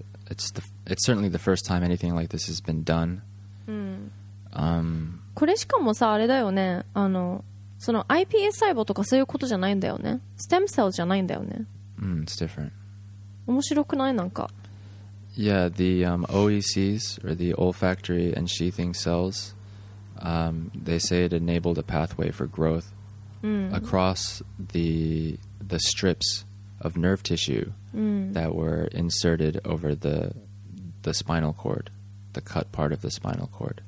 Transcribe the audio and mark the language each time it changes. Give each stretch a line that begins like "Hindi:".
English: It's certainly the first time anything like this has been done.
Japanese: これしかもさ、あれだよね。あの、その iPS 細胞とかそういうことじゃないんだよね。 Stem cell じゃないんだよね。
English: It's different.
Japanese: 面白くないなんか。
English: Yeah, the OECs, or the olfactory and sheathing cells, they say it enabled a pathway for growth across the strips of nerve tissue that were inserted over the spinal cord, the cut part of the spinal cord.